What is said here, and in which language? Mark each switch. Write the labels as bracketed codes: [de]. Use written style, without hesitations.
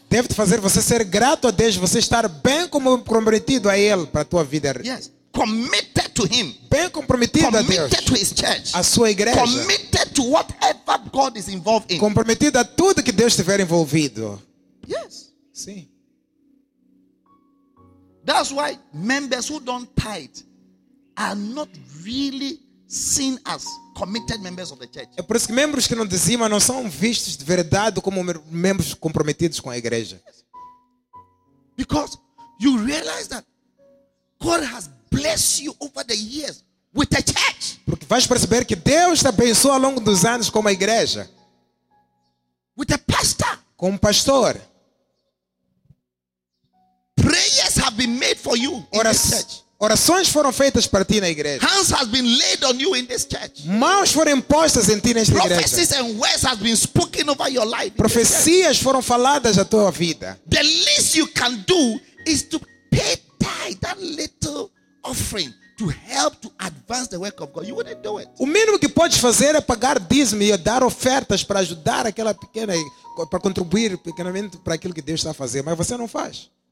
[pt] Deve fazer você ser grato a Deus, você estar bem comprometido a Ele para a tua vida. [en] Yes. Committed to him. [pt] Bem comprometido a Deus. [en] Committed to his church. [pt] A sua igreja. [en] Committed to whatever God is involved in. [pt] Comprometido a tudo que Deus estiver envolvido. [en] Yes. [pt] Sim. [en] That's why members who don't tithe are not really seen as committed members of the church. [pt] É por isso que membros que não dizimam não são vistos de verdade como membros comprometidos com a igreja. [en] Yes. Because you realize that God has blessed you over the years with the church. [pt] Porque vais perceber que Deus te abençoa ao longo dos anos com uma igreja. [en] With a pastor. [pt] Com um pastor. [en] Prayers have been made for you in this church. [pt] Orações foram feitas para ti na igreja. [en] Hands have been laid on you in this church. [pt] Mãos foram impostas em ti nesta igreja. [en] Prophecies and words have been spoken over your life. [pt] Profecias foram faladas à tua vida. [en] The least you can do is to pay tithe, that little offering, to help to advance the work of God. You wouldn't do it. [pt] O mínimo que podes fazer é pagar dízimo e dar ofertas para ajudar aquela pequena, para contribuir pequenamente para aquilo que Deus está a fazer, mas você não faz.